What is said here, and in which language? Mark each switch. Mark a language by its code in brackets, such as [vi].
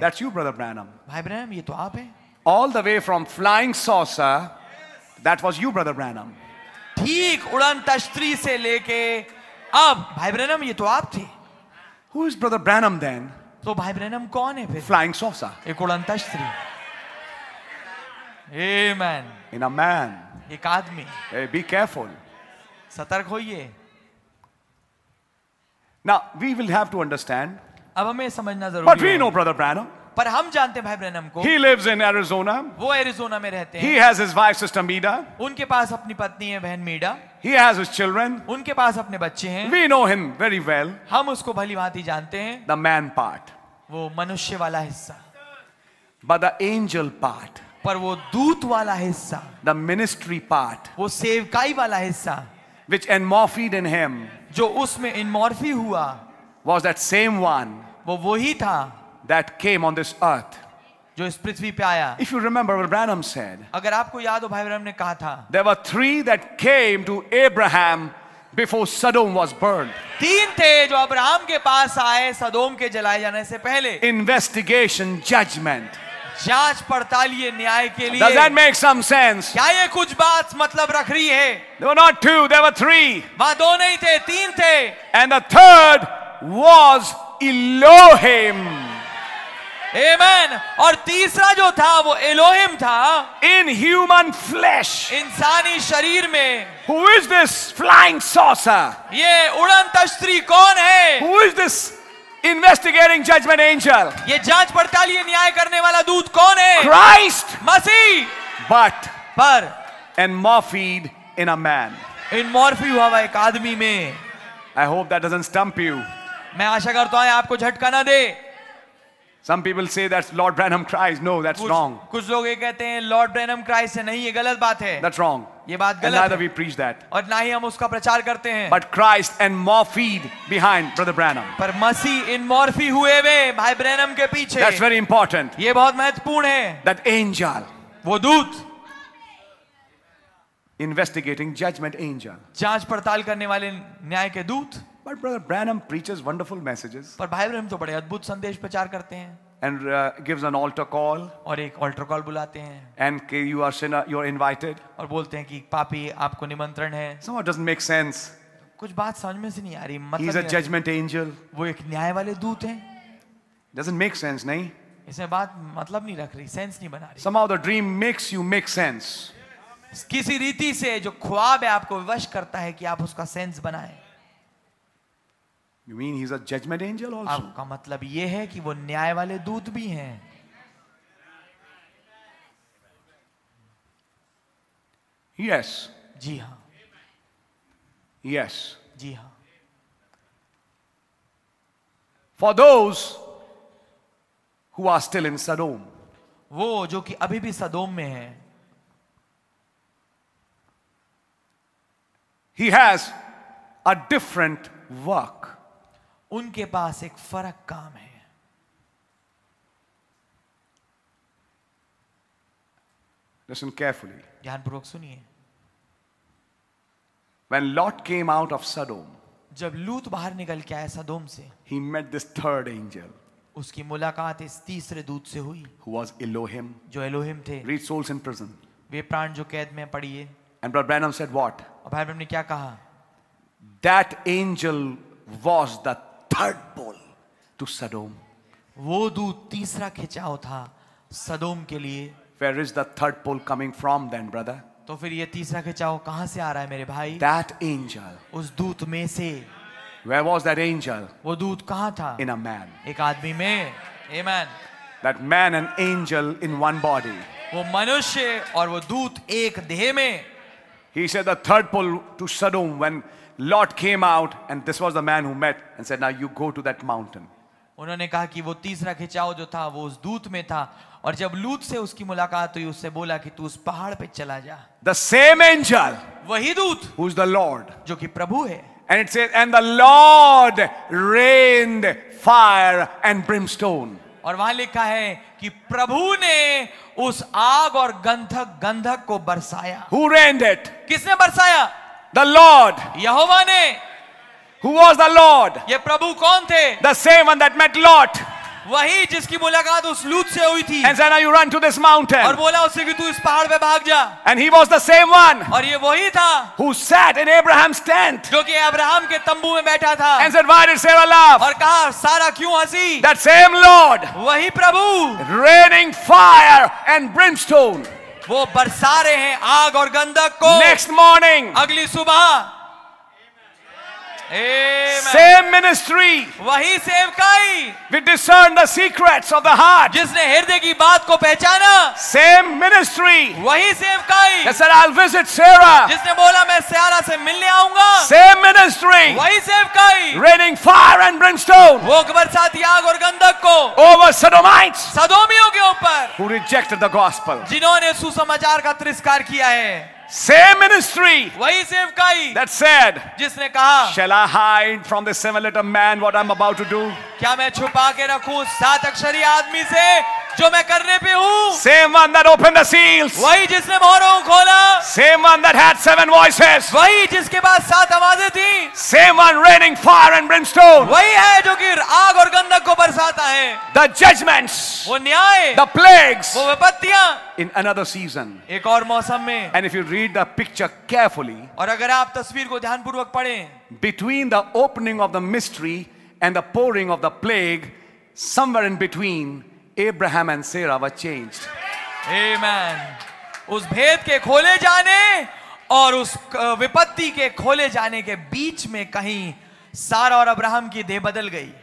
[en] That's you, brother Branham. [hi] भाई Branham ये तो आप हैं. [en] All the way from flying saucer, that was you, brother Branham. [hi] ठीक उड़न तश्तरी से लेके अब भाई ब्रैनम ये तो आप थे. [en] Who is brother Branham then? [hi] तो भाई ब्रैनम कौन है फिर? [en] Flying saucer. [hi] एक उड़न तश्तरी. [en] Amen. In a man. [hi] एक आदमी. [en] Hey, be careful. [hi] सतर्क होइए. [en] Now we will have to understand. [hi] अब हमें समझना जरूरी [en] है. But we know, brother Branham. [hi] पर हम जानते हैं भाई ब्रैनम को. [en] He lives in Arizona. [hi] वो एरिजोना में रहते हैं. [en] He has his wife sister Meeda. [hi] उनके पास अपनी पत्नी है बहन मीडा. [en] He has his children. [hi] उनके पास अपने बच्चे हैं. [en] We know him very well. [hi] हम उसको भली भांति जानते हैं. [en] The man part. [hi] वो मनुष्य वाला हिस्सा. [en] But the angel part. [hi] पर वो दूत वाला हिस्सा. [en] The ministry part. [hi] वो सेवकाई वाला हिस्सा. [en] Which enmorphed in him. [hi] जो उसमें इनमॉर्फी हुआ. [en] Was that same one. [hi] वो वही था. [en] That came on this earth. [hi] जो इस पृथ्वी पे आया. [en] If you remember what Branham said. [hi] अगर आपको याद हो भाई ब्रैनम ने कहा था. [en] There were three that came to Abraham before Sodom was burned. [hi] तीन थे जो अब्राहम के पास आए सदोम के जलाए जाने से पहले. [en] Investigation, judgment. [hi] जांच पड़ताल ये न्याय के लिए. [en] Does that make some sense? [hi] क्या ये कुछ बात मतलब रख रही है? [en] There were not two, there were three. [hi] वहां दो नहीं थे, तीन थे. [en] And the third was Elohim. Amen. [hi] और तीसरा जो था वो Elohim था. [en] In human flesh. [hi] इंसानी शरीर में. [en] Who is this flying saucer? [hi] ये उड़नतश्त्री कौन है? [en] Who is this investigating judgment angel? [hi] ये जांच पड़ताल ये न्याय करने वाला दूत कौन है? [en] Christ. [hi] मसीह. [en] But. [hi] पर. [en] And morphed in a man. [hi] In Morphy हुआ वह एक आदमी में. [en] I hope that doesn't stump you. [hi] मैं आशा करता हूँ आपको झटका ना दे. [en] Some people say that's Lord Branham Christ. No, that's wrong. [hi] कुछ लोग ये कहते हैं Lord Branham Christ है. नहीं, ये गलत बात है. [en] That's wrong. [hi] ये बात गलत है. [en] And neither we preach that. [hi] और ना ही हम उसका प्रचार करते हैं. [en] But Christ and morphed behind Brother Branham. [hi] पर मसीह इन मॉर्फी हुए वे भाई ब्रैनम के पीछे. [en] That's very important. [hi] ये बहुत महत्वपूर्ण है. [en] That angel. [hi] वो दूत. [en] Investigating judgment angel. [hi] जांच पड़ताल करने वाले न्याय के दूत. [en] But Brother Branham preaches wonderful messages. [hi] पर भाई ब्रैनम तो बड़े अद्भुत संदेश प्रचार करते हैं. [en] And gives an altar call. [hi] और एक altar call बुलाते हैं. [en] And you are sinner, you are invited. [hi] और बोलते हैं कि पापी आपको निमंत्रण है. [en] Somehow it doesn't make sense. [hi] कुछ बात समझ में से नहीं आ रही. [en] मतलब he's a judgment angel. [hi] वो एक न्याय वाले दूत हैं. [en] Doesn't make sense, नहीं? [hi] इसमें बात मतलब नहीं रख रही. Sense नहीं बना रही. [en] Somehow the dream makes you make sense. [hi] किसी रीति से जो ख्वाब है आपको विवश करता है कि आप उसका सेंस बनाए. [en] You mean he's a judgment angel also? [hi] आपका मतलब ये है कि वो न्याय वाले दूत भी हैं. [en] Yes. [hi] जी हाँ. [en] Yes. [hi] जी हाँ. [en] For those who are still in Sodom. [hi] वो जो कि अभी भी सदोम में हैं. [en] He has a different work. [hi] उनके पास एक फर्क काम है. [en] Listen carefully. [hi] ध्यानपूर्वक सुनिए. [en] When Lot came out of Sodom. [hi] जब लूत बाहर निकल के आया सदोम से. [en] He met this third angel. [hi] उसकी मुलाकात इस तीसरे दूत से हुई. [en] Who was Elohim? [hi] जो Elohim थे. [en] Read souls in prison. [hi] वे प्राण जो कैद में पड़िए. [en] And Brother Branham said what? [hi] भाई ब्रैनम ने क्या कहा? [en] That angel was the third pole to Sodom. [hi] वो दूत तीसरा खिंचाव था सदोम के लिए. [en] Where is the third pole coming from then, brother? [hi] तो फिर ये तीसरा खिंचाव कहां से आ रहा है मेरे भाई? [en] That angel. [hi] उस दूत में से. [en] Where was that angel? [hi] वो दूत कहां था? [en] In a man. [hi] एक आदमी में. Amen. [en] That man and angel in one body. [hi] वो मनुष्य और वो दूत एक देह में. [en] He said the third pole to Sodom when Lot came out, and this was the man who met and said, "Now you go to that mountain." [hi] उन्होंने कहा कि वो तीसरा खिंचाव जो था वो उस दूत में था, और जब लूत से उसकी मुलाकात हुई उससे बोला कि तू उस पहाड़ पे चला जा. [en] The same angel, [hi] वही दूत, [en] who is the Lord, [hi] जो कि प्रभु है. [en] And it says, "And the Lord rained fire and brimstone." [hi] और वहां लिखा है कि प्रभु ने उस आग और गंधक गंधक को बरसाया. [en] Who rained it? [hi] किसने बरसाया? [en] The Lord. [hi] यहोवा ने. [en] Who was the Lord? [hi] ये प्रभु कौन थे? [en] The same one that met Lot. [hi] वही जिसकी मुलाकात उस लूत से हुई थी. [en] And said, "Now you run to this mountain." [hi] और बोला उसे कि तू इस पहाड़ पे भाग जा. [en] And he was the same one. [hi] और ये वही था. [en] Who sat in Abraham's tent. [hi] जो कि अब्राहम के तंबू में बैठा था. [en] And said, "Why did Sarah laugh?" [hi] और कहा सारा क्यों हंसी? [en] That same Lord. [hi] वही प्रभु. [en] Raining fire and brimstone. [hi] वो बरसा रहे हैं आग और गंधक को. [en] Next morning. [hi] अगली सुबह. [en] Same ministry. [hi] वही सेवकाई. [en] We discern the secrets of the heart. [hi] जिसने हृदय की बात को पहचाना. [en] Same ministry. [hi] वही सेवकाई. [en] Yes, sir, I'll visit Sarah. [hi] जिसने बोला मैं सारा से मिलने आऊँगा. [en] Same ministry. [hi] वही सेवकाई. [en] Raining fire and brimstone. [hi] वो बरसाती आग और गंधक को. [en] Over Sodomites. [hi] सदोमियों के ऊपर. [en] Who rejected the gospel. [hi] जिन्होंने सुसमाचार का तिरस्कार किया है. [en] Same ministry. [hi] वही सेवकाई. [en] That said. [hi] जिसने कहा. [en] Shall I hide from the seven-letter man what I'm about to do? [hi] क्या मैं छुपा के रखूँ सात अक्षरी आदमी से जो मैं करने पे हूँ? [en] Same one that opened the seals. [hi] वही जिसने मोहरों खोला. [en] Same one that had seven voices. [hi] वही जिसके पास सात आवाजें थीं. [en] Same one raining fire and brimstone. [hi] वही है जो कि आग और गंधक को बरसाता है. [en] The judgments. [hi] वो न्याय. [en] The plagues. [hi] वो विपत्तियाँ. [en] In another season. [hi] एक और मौसम में. [en] And if you read the picture carefully. [hi] और अगर आप तस्वीर को ध्यानपूर्वक पढ़ें. [en] Between the opening of the mystery and the pouring of the plague, somewhere in between, Abraham and Sarah were changed. Amen. [hi] उस भेद के खोले जाने और उस विपत्ति के खोले जाने के बीच में कहीं सारा और अब्राहम की देह बदल गई.